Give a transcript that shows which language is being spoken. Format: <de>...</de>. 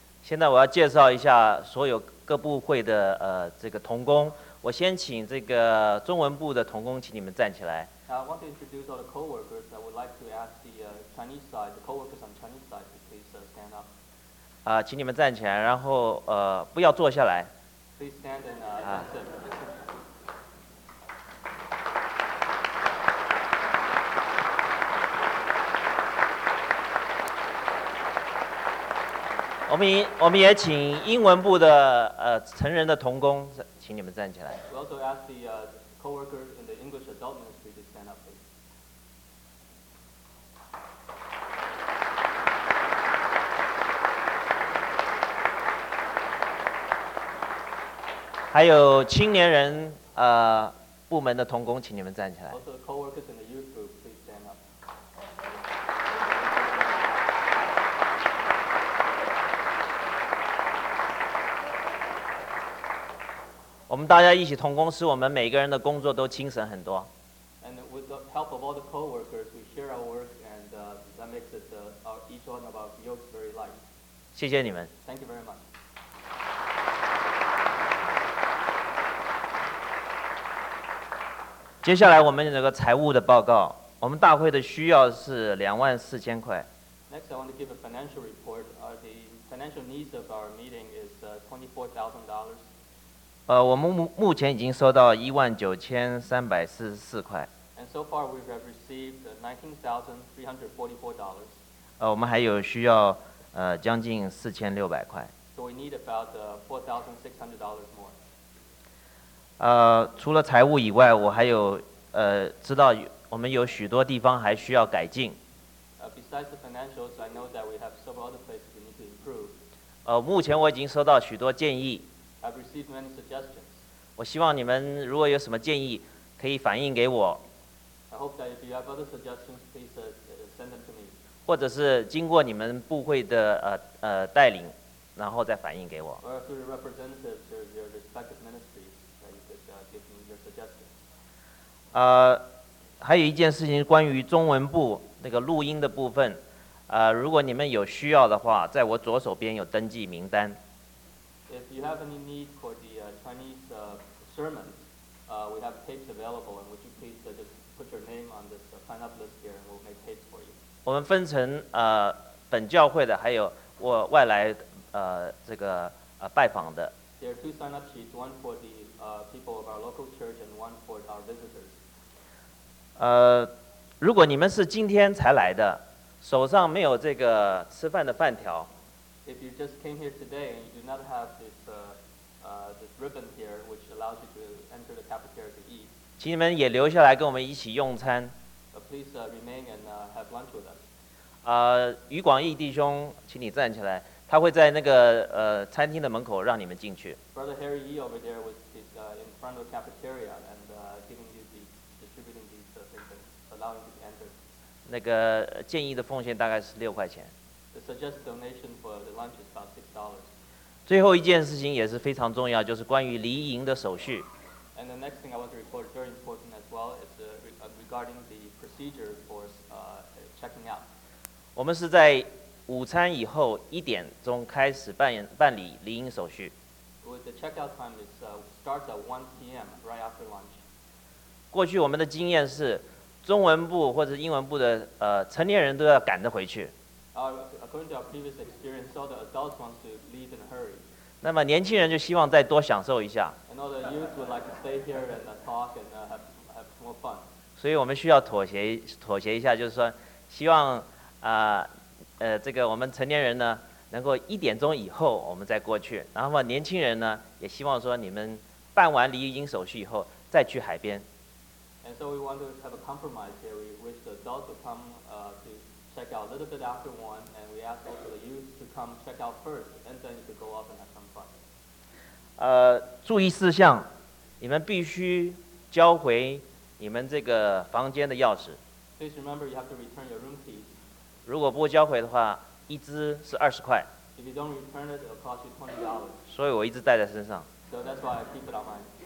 <zh>现在我要介绍一下所有各部会的这个同工。我先请这个中文部的同工，请你们站起来。</zh> <en>I want to introduce all the coworkers. I would like to ask the Chinese side, the coworkers on Chinese side, to please stand up.</en> <zh>请你们站起来，然后不要坐下来。</zh> <en>Please stand and sit.</en> <zh>我们也请英文部的成人的同工，请你们站起来。</zh> <en>We also ask the coworkers in the English adult ministry to stand up, please.</en> <zh>还有青年人部门的同工，请你们站起来。</zh> <en>Also coworkers in the youth group, please stand up.</en> <zh>我们大家一起同工，使我们每个人的工作都精神很多。</zh> <en>And with the help of all the coworkers, we share our work, and that makes it each one of our yokes very light.</en> <zh>谢谢你们。</zh> <en>Thank you very much.</en> <zh>接下来我们有个财务的报告。我们大会的需要是24000块。</zh> <en>Next, I want to give a financial report. The financial needs of our meeting is $24,000.</en> <zh>我们目前已经收到19344块。</zh> <en>And so far we have received $19,344.</en> <zh>我们还有需要将近4600块。</zh> <en>So we need about $4,600 more.</en> <zh>除了财务以外，我还有知道我们有许多地方还需要改进。</zh> <en>Besides the financials, I know that we have several other places we need to improve.</en> <zh>目前我已经收到许多建议。</zh> <en>I've received many suggestions.</en> <zh>我希望你们如果有什么建议，可以反映给我。</zh> <en>I hope that if you have other suggestions, please send them to me.</en> <zh>或者是经过你们部会的带领，然后再反映给我。</zh> <en>Or through your representatives or your respective ministries, that you could give me your suggestions.</en> <zh>还有一件事情关于中文部那个录音的部分，如果你们有需要的话，在我左手边有登记名单。</zh> <en>If you have any need for the Chinese sermon, we have tapes available, and would you please just put your name on this sign-up list here, and we'll make tapes for you.</en> <zh>我们分成本教会的，还有我外来这个拜访的。</zh> <en>There are two sign-up sheets, one for the people of our local church, and one for our visitors.</en> <zh>如果你们是今天才来的，手上没有这个吃饭的饭条。</zh> <en>If you just came here today and you do not have this this ribbon here, which allows you to enter the cafeteria to eat,</en> <zh>请你们也留下来跟我们一起用餐。</zh> <en>Please remain and have lunch with us.</en> <zh>余广义弟兄，请你站起来，他会在那个餐厅的门口让你们进去。</zh> <en>Brother Harry Yee over there was in front of the cafeteria and giving you the distributing these things, allowing you to enter.</en> <zh>那个建议的奉献大概是6块钱。</zh> <en>The suggested donation for the lunch is about $6.</en> <zh>最后一件事情也是非常重要，就是关于离营的手续。</zh> <en>And the next thing I want to report is very important as well. It's regarding the procedure for checking out.</en> <zh>我们是在午餐以后一点钟开始办理离营手续。</zh> <en>With the checkout time is starts at 1 p.m. right after lunch.</en> <zh>过去我们的经验是，中文部或者英文部的成年人都要赶着回去。</zh> <en>According to our previous experience, all the adults want to leave in a hurry.</en> <zh>那么年轻人就希望再多享受一下。</zh> <en>And all the youth would like to stay here and talk and have more fun.</en> <zh>所以我们需要妥协一下，就是说，希望这个我们成年人呢，能够一点钟以后我们再过去。然后年轻人呢，也希望说你们办完离营手续以后再去海边。</zh> <en>And so we want to have a compromise here. We wish the adults to come to check out a little bit after one, and we ask also the youth to come check out first, and then you could go off and have some fun.</en> <zh>注意事项，你们必须交回你们这个房间的钥匙。</zh> <en>Please remember you have to return your room keys.</en> <zh>如果不交回的话，一支是20块。</zh> <en>If you don't return it, it'll cost you $20.</en> <zh>所以我一直带在身上。</zh> <en>So that's why I keep it on my.</en>